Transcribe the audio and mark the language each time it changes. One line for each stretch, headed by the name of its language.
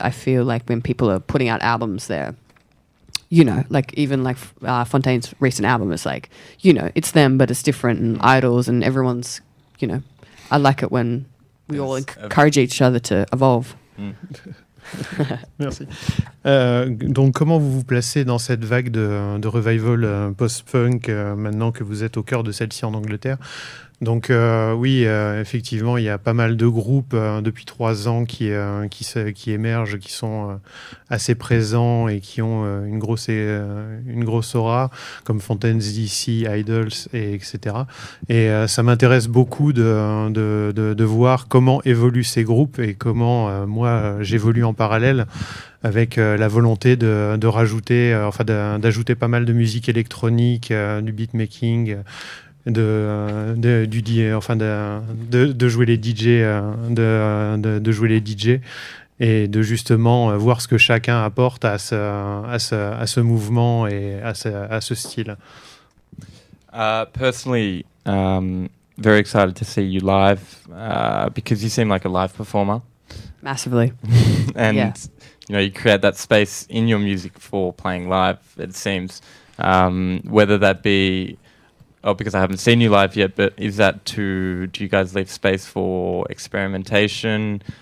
English: I feel like when people are putting out albums there, you know, like even like Fontaine's recent album is like, you know, it's them, but it's different, and Idols, and everyone's, you know, I like it when we all encourage each other to evolve.
French: Merci. Donc, comment vous vous placez dans cette vague de revival post-punk maintenant que vous êtes au cœur de celle-ci en Angleterre? Donc effectivement, il y a pas mal de groupes depuis 3 ans qui émergent, qui sont assez présents et qui ont une grosse aura, comme Fontaines D.C., Idols, etc. Et ça m'intéresse beaucoup de voir comment évoluent ces groupes et comment moi j'évolue en parallèle, avec la volonté d'ajouter pas mal de musique électronique, du beatmaking, de jouer les DJ et de justement voir ce que chacun apporte à ce mouvement et à ce style.
English: Personally, very excited to see you live because you seem like a live performer. Massively. And you know, you create that space in your music for playing live, it seems. Whether that be, oh, because I haven't seen you live yet, but is that do you guys leave space for experimentation?